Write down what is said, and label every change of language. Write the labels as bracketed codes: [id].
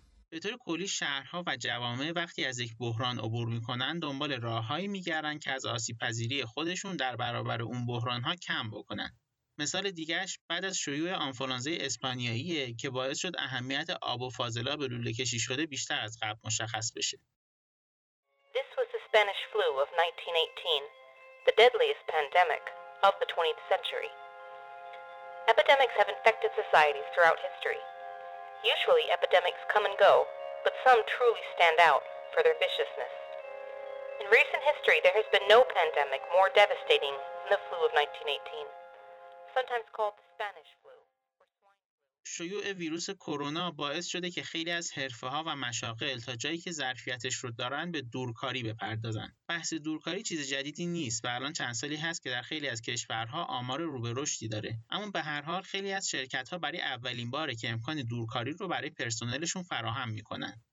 [fa] به طور کلی شهرها و جوامع وقتی از یک بحران عبور میکنن دنبال راههایی میگردن که از آسیب پذیری خودشون در برابر اون بحران ها کم بکنن. مثال دیگرش بعد از شیوع آنفولانزای اسپانیاییه که باعث شد اهمیت آب و فاضلاب به لوله کشی شده بیشتر از قبل مشخص بشه. [en] Spanish flu of 1918, the deadliest pandemic of the 20th century. Epidemics have infected societies throughout history. Usually epidemics come and go, but some truly stand out for their viciousness. In recent history, there has been no pandemic more devastating than the flu of 1918, sometimes called the Spanish flu. [fa] شیوع ویروس کرونا باعث شده که خیلی از حرفه ها و مشاغل تا جایی که ظرفیتش رو دارن به دورکاری بپردازن. بحث دورکاری چیز جدیدی نیست و الان چند سالی هست که در خیلی از کشورها آمار رو به رشدی داره. اما به هر حال خیلی از شرکت ها برای اولین باره که امکان دورکاری رو برای پرسنلشون فراهم میکنن.